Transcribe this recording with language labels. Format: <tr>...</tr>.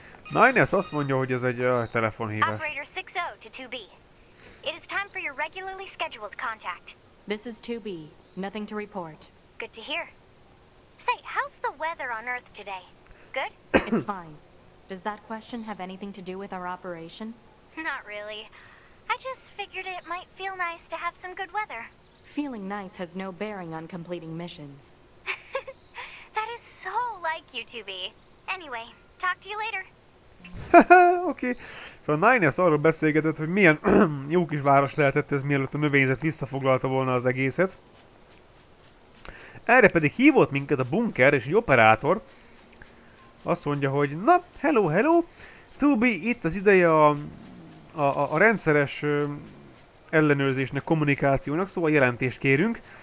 <hu>Nines azt mondja, hogy ez egy telefonhívás.</hu> <en>Operator 60 to 2B. It is time for your regularly scheduled contact. This is 2B. Nothing to report. Good to hear. Say, how's the weather on Earth today? Good? It's fine. Does that question have anything to do with our operation? Not really. I just figured it might feel nice to have some good weather. Feeling nice has no bearing on completing missions. That is so like you, 2B. Anyway, talk to you later.</en> <hu>Oké. Okay. Szóval Nines arról beszélgetett, hogy milyen jó kis város lehetett ez, mielőtt a növényzet visszafoglalta volna az egészet. Erre pedig hívott minket a bunker és egy operátor. Azt mondja, hogy na, hello, hello. 2B, itt az ideje a rendszeres ellenőrzésnek, kommunikációnak, szóval jelentést kérünk.</hu>